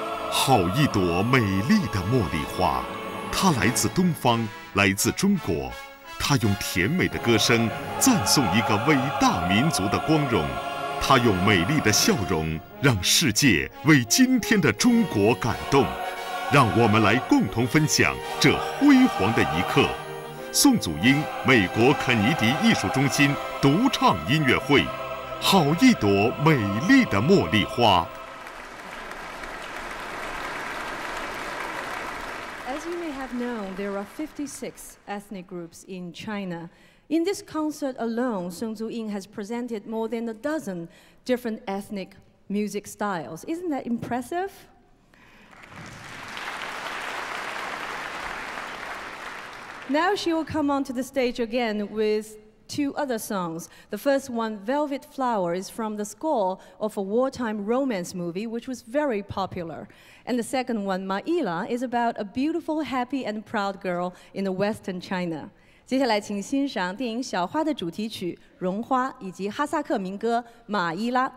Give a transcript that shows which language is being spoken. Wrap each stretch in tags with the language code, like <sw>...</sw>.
<zh>好一朵美丽的茉莉花，它来自东方，来自中国，它用甜美的歌声赞颂一个伟大民族的光荣，它用美丽的笑容让世界为今天的中国感动，让我们来共同分享这辉煌的一刻，宋祖英美国肯尼迪艺术中心独唱音乐会，好一朵美丽的茉莉花。</zh> <en>have known, there are 56 ethnic groups in China. In this concert alone, Song Zuying has presented more than a dozen different ethnic music styles. Isn't that impressive? Now she will come onto the stage again with two other songs. The first one, Velvet Flower, is from the score of a wartime romance movie, which was very popular. And the second one, Ma Yila, is about a beautiful, happy, and proud girl in the Western China.</en> <zh>接下来请欣赏电影《小花》的主题曲《绒花》以及哈萨克民歌《马伊拉》。</zh>